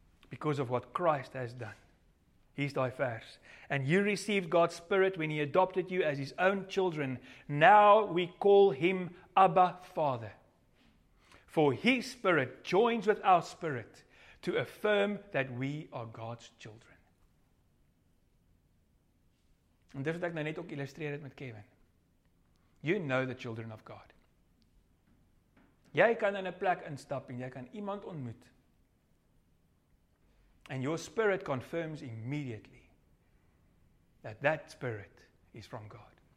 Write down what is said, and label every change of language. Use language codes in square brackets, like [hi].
[en] Because of what Christ has done. He's [af] die vers. [en] And you received God's Spirit when he adopted you as his own children. Now we call him Abba Father. For his Spirit joins with our spirit to affirm that we are God's children. [af] En dit wat ek nou net ook illustreer het met Kevin. [en] You know the children of God. [af] Jy kan in 'n plek instap en jy kan iemand ontmoet. [en] And your spirit confirms immediately that that spirit is from God.